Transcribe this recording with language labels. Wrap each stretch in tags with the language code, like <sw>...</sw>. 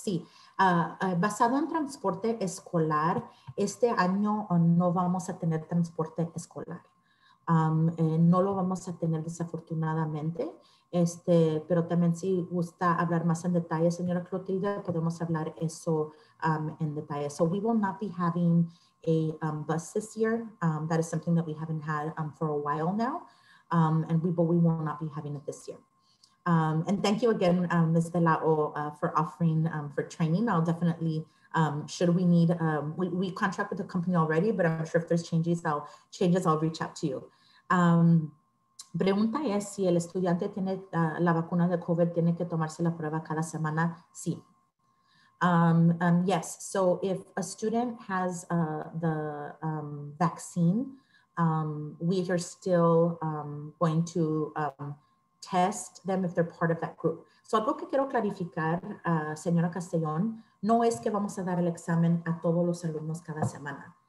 <es>Sí, basado en transporte escolar, este año no vamos a tener transporte escolar. No lo vamos a tener desafortunadamente, pero también si gusta hablar más en detalle, señora Clotilde, podemos hablar eso en detalle.</es> <en>So we will not be having a bus this year. That is something that we haven't had for a while now, but we will not be having it this year. And thank you again, Ms. De La O, for offering for training. I'll definitely, should we need, we contract with the company already, but I'm sure if there's changes, I'll reach out to you.</en> <es>Pregunta es si el estudiante tiene la vacuna de COVID, tiene que tomarse la prueba cada semana. Sí.</es> <en>Yes. So if a student has the vaccine, we are still going to test them if they're part of that group.</en> <es>So algo que quiero clarificar, señora Castellón, no es que vamos a dar el examen a todos los alumnos cada semana.</es>